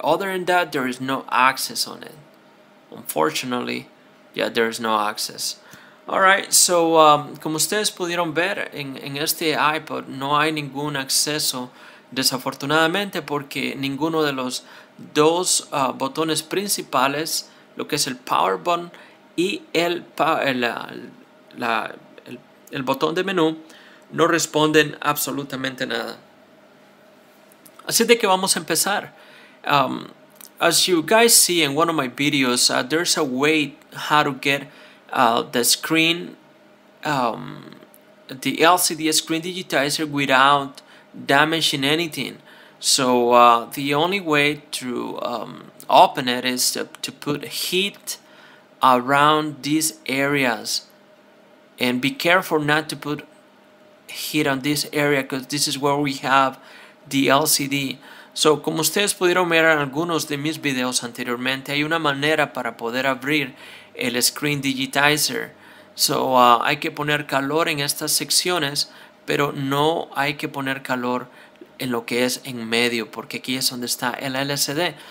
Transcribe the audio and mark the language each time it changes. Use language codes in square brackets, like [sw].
[en] Other than that, there is no access on it. Unfortunately, yeah, there is no access. [es] Alright, so como ustedes pudieron ver, en este iPod no hay ningún acceso, desafortunadamente, porque ninguno de los dos botones principales, lo que es el power button y el botón de menú, no responden absolutamente nada. Así de que vamos a empezar. [en] As you guys see in one of my videos, there's a way how to get the screen, the LCD screen digitizer, without damaging anything. So the only way to open it is to put heat around these areas, and be careful not to put heat on this area because this is where we have the LCD. [es] So como ustedes pudieron ver en algunos de mis videos anteriormente, hay una manera para poder abrir el screen digitizer. So hay que poner calor en estas secciones, pero no hay que poner calor en lo que es en medio, porque aquí es donde está el LCD.